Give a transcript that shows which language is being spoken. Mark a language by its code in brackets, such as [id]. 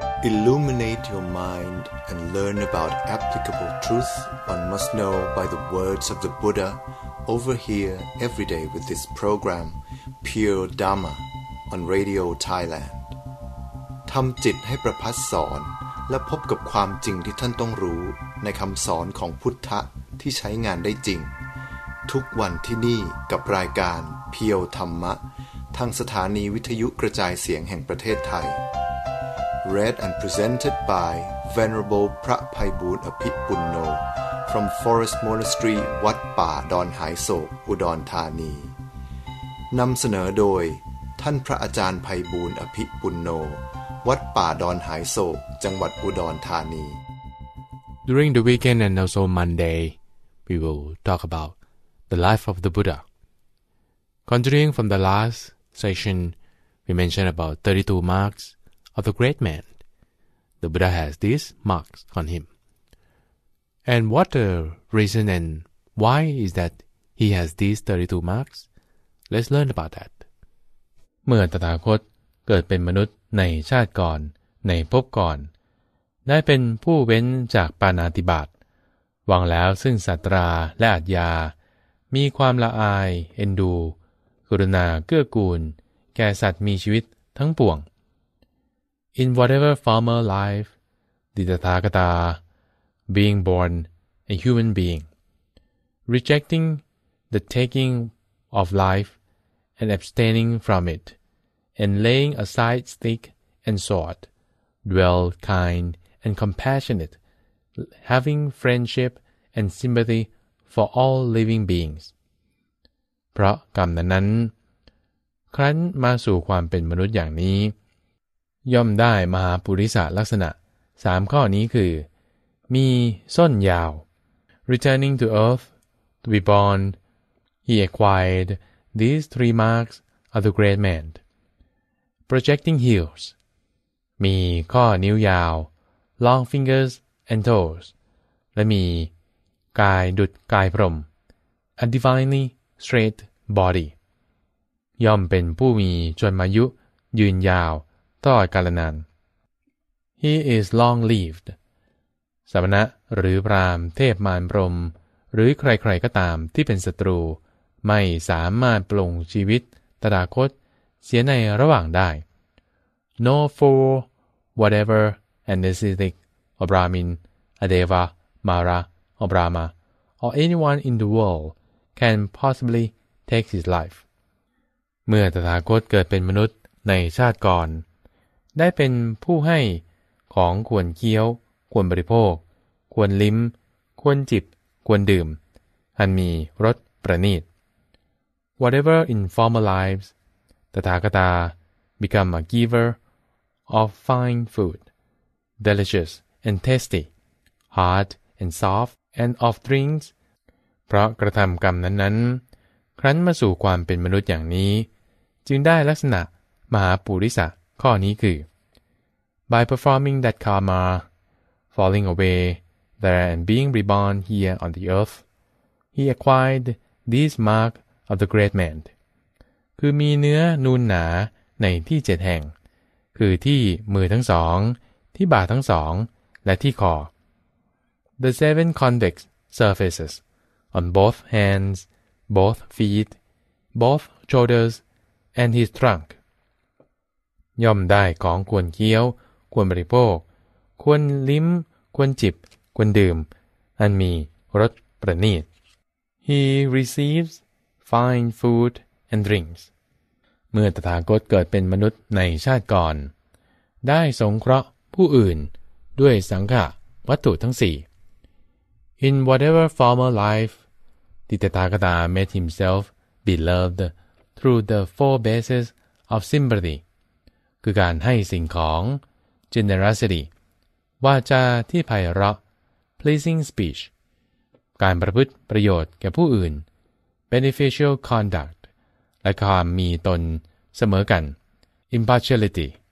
[en] Illuminate your mind and learn about applicable truth one must know by the words of the Buddha over here every day with this program, Pure Dharma, on Radio Thailand. [th] ทำจิตให้ประพัสสอนและพบกับความจริงที่ท่านต้องรู้ในคำสอนของพุทธะที่ใช้งานได้จริงทุกวันที่นี่กับรายการเพียวธรรมะทางสถานีวิทยุกระจายเสียงแห่งประเทศไทย [en] Read and presented by Venerable [th] พระไพบูลย์อภิปุณโญ [en] from Forest Monastery [th] วัดป่าดอนหายโศกอุดรธานีนำเสนอโดยท่านพระอาจารย์ไพบูลย์อภิปุณโญวัดป่าดอนหายโศกจังหวัดอุดรธานี [en] During the weekend and also Monday we will talk aboutThe life of the Buddha. Continuing from the last session, we mentioned about 32 marks of the great man. The Buddha has these marks on him. And what the reason and why is that he has these 32 marks? Let's learn about that. [th] เมื่อตถาคตเกิดเป็นมนุษย์ในชาติก่อนในภพก่อนได้เป็นผู้เว้นจากปาณาติบาตวางแล้วซึ่งสัตราและอัจฉริย มีความละอายเอ็นดูกรุณาเกื้อกูลแก่สัตว์มีชีวิตทั้งปวง [en] In whatever former life, the Tathagata, being born a human being, rejecting the taking of life and abstaining from it, and laying aside stick and sword, dwell kind and compassionate, having friendship and sympathy for all living beings. [th] เพราะกรรมนั้นครั้นมาสู่ความเป็นมนุษย์อย่างนี้ย่อมได้มหาปุริสลักษณะ3ข้อนี้คือมีส้นยาว [en] Returning to earth to be born he acquired these three marks of the great man Projecting heels [th] มีข้อนิ้วยาว [en] Long fingers and toes [th] และมีกายดุจกายพรหม [en] A divinelyStraight body [th] ย่อมเป็นผู้มีจนมายุยืนยาวตลอดกาลนาน [en] He is long lived [th] สมณะหรือพราหมณ์เทพมารพรหมหรือใครๆก็ตามที่เป็นศัตรูไม่สามารถปลงชีวิตตถาคตเสียในระหว่างได้ [en] No fool whatever an ascetic or brahmin a deva mara or brahma or anyone in the worldcan possibly take his life [th] เมื่อตถาคตเกิดเป็นมนุษย์ในชาติก่อนได้เป็นผู้ให้ของควรเคี้ยวควรบริโภคควรลิ้มควรจิบควรดื่มอันมีรสประณีต [en] whatever in former lives ตถาคตา become a giver of fine food delicious and tasty hard and soft and of drinks [th] เพราะกระทำกรรมนั้นๆครั้นมาสู่ความเป็นมนุษย์อย่างนี้จึงได้ลักษณะมหาปุริสข้อนี้คือ [en] By performing that karma, falling away there and being reborn here on the earth, he acquired this mark of the great man. [th] คือมีเนื้อนูนหนาในที่เจ็ดแห่งคือที่มือทั้งสองที่บ่าทั้งสองและที่คอ [en] The seven convex surfacesOn both hands, both feet, both shoulders, and his trunk. [th] ย่อมได้ของควรเคี้ยวควรบริโภคควรลิ้มควรจิบควรดื่มอันมีรสประณีต [en] He receives fine food and drinks. [th] เมื่อตถาคตเกิดเป็นมนุษย์ในชาติก่อนได้สงเคราะห์ผู้อื่นด้วยสังฆะวัตถุทั้งสี่ [en] In whatever former life, the Tathagata made himself beloved through the four bases of sympathy, [th] คือการให้สิ่งของ [en] generosity, [th] วาจาที่ไพเราะ [en] pleasing speech, [th] การประพฤติประโยชน์แก่ผู้อื่น [en] beneficial conduct, [th] และความมีตนเสมอกัน [en] impartiality,